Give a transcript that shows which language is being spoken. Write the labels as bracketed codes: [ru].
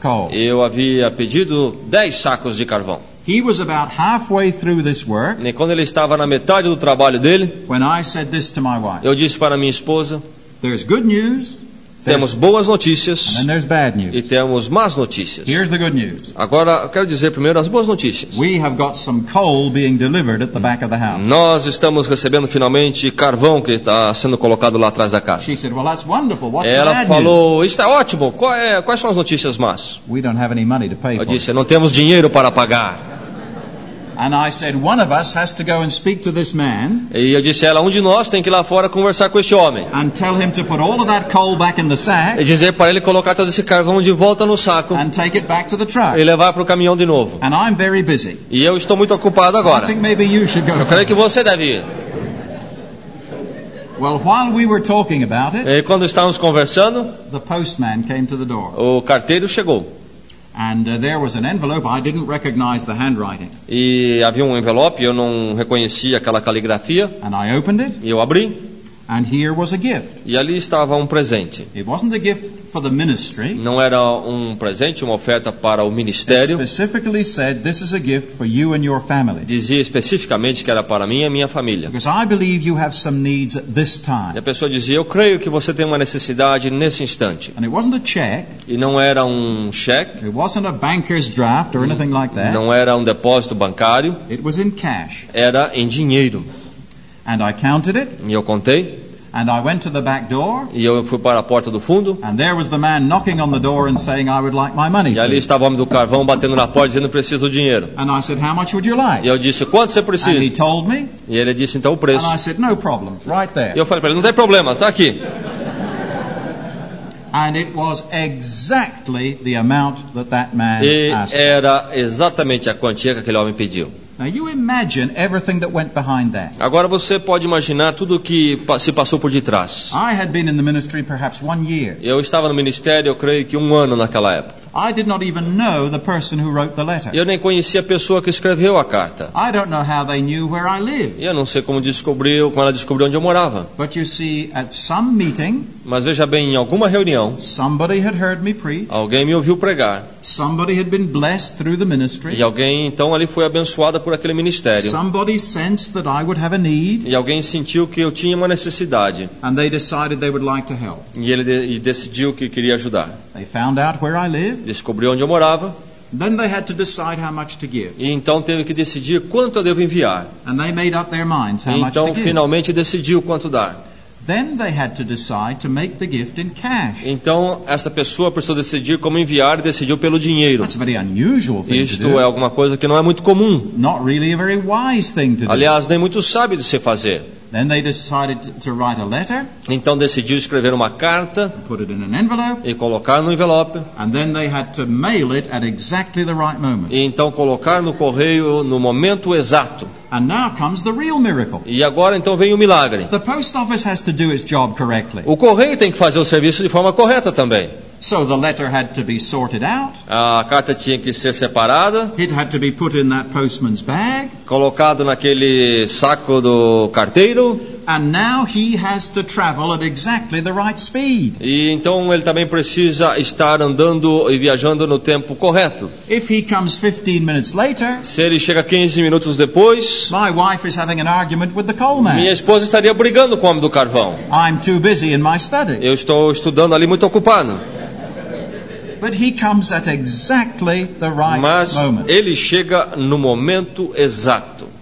[pt] Eu havia pedido 10 sacos de carvão. [en] He was about halfway through this work. [pt] E quando ele estava na metade do trabalho dele, [en] when I said this to my wife, [pt] eu disse para minha esposa: [en] there's good news. [pt] Temos boas notícias [en] and then bad news. [pt] E temos más notícias. [en] Here's the good news. [pt] Agora, eu quero dizer primeiro as boas notícias. [en] We have got some coal being delivered at the back of the house. [pt] Nós estamos recebendo finalmente carvão que está sendo colocado lá atrás da casa. [en] She said, well, that's wonderful. What's [pt] ela [en] the bad [pt] falou, [en] news? [pt] Isso é ótimo, quais são as notícias más? [en] We don't have any money to pay [pt] eu [en] for [pt] disse, [en] it. [pt] Não temos dinheiro para pagar. [en] And I said, one of us has to go and speak to this man. [pt] E eu disse a ela, um de nós tem que ir lá fora conversar com este homem. [en] And tell him to put all of that coal back in the sack. [pt] E dizer para ele colocar todo esse carvão de volta no saco. [en] And take it back to the truck. [pt] E levar para o caminhão de novo. [en] And I'm very busy. [pt] E eu estou muito ocupado agora. [en] I think maybe you should go. [pt] Eu creio que você deve ir. [en] Well, while we were talking about it, [pt] e quando estávamos conversando, [en] the postman came to the door. [pt] O carteiro chegou. [en] And there was an envelope. I didn't recognize the handwriting. [pt] E havia um envelope. Eu não reconhecia aquela caligrafia. [en] And I opened it. [pt] E eu abri. [en] And here was a gift. [pt] E ali estava um presente. [en] It wasn't a gift for the ministry. [pt] Não era um presente, uma oferta para o ministério. [en] It specifically said, "This is a gift for you and your family." [pt] Dizia especificamente que era para mim e minha família. [en] Because I believe you have some needs at this time. [pt] E a pessoa dizia, eu creio que você tem uma necessidade nesse instante. [en] And it wasn't a check. [pt] E não era um cheque. [en] It wasn't a banker's draft or anything like that. [pt] Não era um depósito bancário. [en] It was in cash. [pt] Era em dinheiro. [en] And I counted it. [pt] E eu contei. [en] And I went to the back door. [pt] E eu fui para a porta do fundo. [en] And there was the man knocking on the door and saying, "I would like my money." [pt] E ali estava o homem do carvão batendo na porta dizendo, "Preciso do dinheiro." [en] And I said, "How much would you like?" [pt] E eu disse, "Quanto você precisa?" [en] And he told me. [pt] E ele disse então o preço. [en] And I said, "No problem, right there." [pt] E eu falei para ele, "Não tem problema, está aqui." [en] And it was exactly the amount that that man asked. [pt] E era exatamente a quantia que aquele homem pediu. [en] Now you imagine everything that went behind that. [pt] Agora você pode imaginar tudo o que se passou por detrás. [en] I had been in the ministry perhaps one year. [pt] Eu estava no ministério, eu creio que um ano naquela época. [en] I did not even know the person who wrote the letter. [pt] Eu nem conhecia a pessoa que escreveu a carta. [en] I don't know how they knew where I live. [pt] Eu não sei como ela descobriu onde eu morava. [en] But you see, at some meeting, [pt] mas veja bem, em alguma reunião, [en] somebody had heard me preach. [pt] Alguém me ouviu pregar. [en] Somebody had been blessed through the ministry. [pt] E alguém então ali foi abençoada por aquele ministério. [en] Somebody sensed that I would have a need. [pt] E alguém sentiu que eu tinha uma necessidade. [en] And they decided they would like to help. [pt] E ele decidiu que queria ajudar. [en] They found out where I live. [pt] Descobriu onde eu morava. [en] Then they had to decide how much to give. [pt] E então teve que decidir quanto eu devo enviar. [en] And they made up their minds how [pt] e então [en] much to [pt] finalmente [en] give. [pt] Decidiu quanto dar. [en] Then they had to decide to make the gift in cash. [pt] Então essa pessoa precisou decidir como enviar e decidiu pelo dinheiro. [en] That's a very unusual thing. [pt] Isto é alguma coisa que não é muito comum. [en] Not really a very wise thing to do. [pt] Aliás, nem muito sábio de se fazer. [en] Then they decided to write a letter. [pt] Então decidiu escrever uma carta. [en] Put it in an envelope. [pt] E colocar no envelope. [en] And then they had to mail it at exactly the right moment. [pt] E então colocar no correio no momento exato. [en] And now comes the real miracle. [pt] E agora então vem o milagre. [en] The post office has to do its job correctly. [pt] O correio tem que fazer o serviço de forma correta também. [en] So the letter had to be sorted out. [pt] A carta tinha que ser separada. [en] It had to be put in that postman's bag. [pt] Colocado naquele saco do carteiro. [en] And now he has to travel at exactly the right speed. [pt] E então ele também precisa estar andando e viajando no tempo correto. [en] If he comes 15 minutes later, [pt] se ele chega 15 minutos depois, [en] my wife is having an argument with the coal man. [pt] Minha esposa estaria brigando com o homem do carvão. [en] I'm too busy in my study. [pt] Eu estou estudando ali muito ocupado. [en] But he comes at exactly the right [pt] Mas [en] moment. [pt] Ele chega no momento exato.